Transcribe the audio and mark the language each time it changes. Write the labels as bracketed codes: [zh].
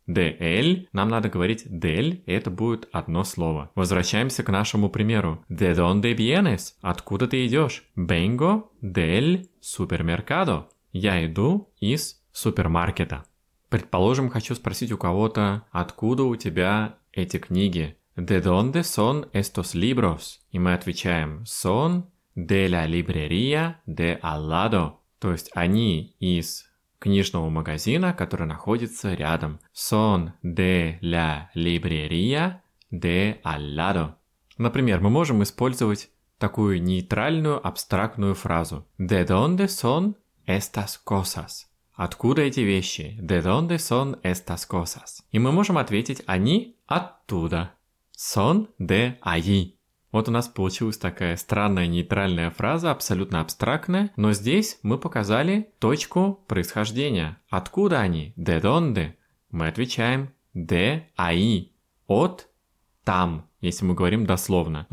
[ru] DL, нам надо говорить DL, это будет одно слово. Возвращаемся к нашему примеру. [es] ¿De dónde vienes? [ru] Откуда ты идешь? [es] Vengo del supermercado. [ru] Я иду из супермаркета. Предположим, хочу спросить у кого-то, откуда у тебя эти книги? [es] ¿De dónde son estos libros? [ru] И мы отвечаем, [es] son de la librería de al lado. [ru] То есть, они из книжного магазина, который находится рядом. [es] Son de la librería de al lado. [ru] Например, мы можем использовать такую нейтральную абстрактную фразу. [es] ¿De dónde son estas cosas? [ru] Откуда эти вещи? [es] ¿De dónde son estas cosas? [ru] И мы можем ответить, они оттуда. [es] Son de allí. [ru] Вот у нас получилась такая странная нейтральная фраза, абсолютно абстрактная, но здесь мы показали точку происхождения. Откуда они? [es] De dónde? [ru] Мы отвечаем [es] de ahí. [ru] От там, если мы говорим дословно.